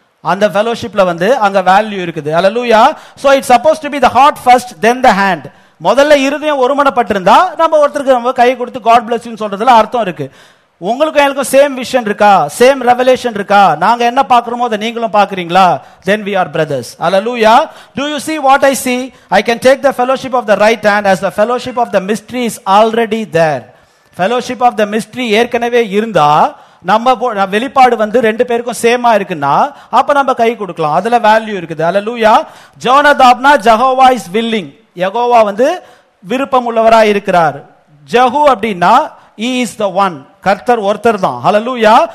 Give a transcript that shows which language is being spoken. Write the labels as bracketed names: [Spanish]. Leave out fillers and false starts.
[Tamil] அந்த ஃபெலோஷிப்ல வந்து அங்க வேல்யூ இருக்குது. [English] Hallelujah. So it's suppose to be the heart first then the hand. [Tamil] முதல்ல இருதயம் ஒருமனப்பட்டிருந்தா நம்ம ஒருத்தருக்கு நம்ம கையை கொடுத்து காட் பிளஸ் யூன்னு சொல்றதுல அர்த்தம் இருக்கு. உங்களுக்கும் எனக்கும் சேம் விஷன் இருக்கா? சேம் ரெவலேஷன் இருக்கா? நாங்க என்ன பாக்குறோமோ அதை நீங்களும் பாக்குறீங்களா? [English] Then we are brothers. Hallelujah. Do you see what I see? I can take the fellowship of the right hand as the fellowship of the mystery is already there. Fellowship of the mystery [Tamil] ஏற்கனவே இருந்தா நம்ம வெளிப்பாடு வந்து ரெண்டு பேருக்கும் சேமா இருக்குன்னா அப்ப நம்ம கை கொடுக்கலாம். அதுல வேல்யூ இருக்குது. Hallelujah. ஜோனதாப்னா Jehovah [English] Is willing. [Tamil] Jehovah வந்து விருப்பம் உள்ளவரா இருக்கிறார். ஜஹு அப்படின்னா [English] He is the one. [Tamil] கர்த்தர் ஒருத்தர் தான். ஹல்லேலூயா.